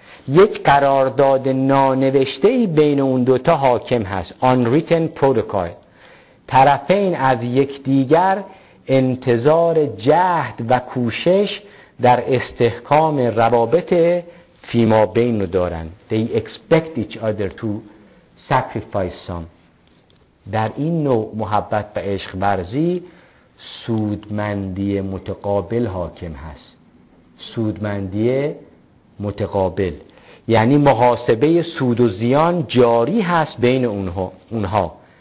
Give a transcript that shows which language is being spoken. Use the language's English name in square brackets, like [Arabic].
[Persian] یک قرارداد نانوشته‌ای بین اون دوتا حاکم هست، [English] unwritten protocol. [Persian] طرفین از یکدیگر انتظار جهد و کوشش در استحکام روابط فیما بین رو دارن. [English] They expect each other to sacrifice some. [Persian] در این نوع محبت و عشق ورزی سودمندی متقابل حاکم هست، سودمندی متقابل، یعنی محاسبه سود و زیان جاری هست بین اونها.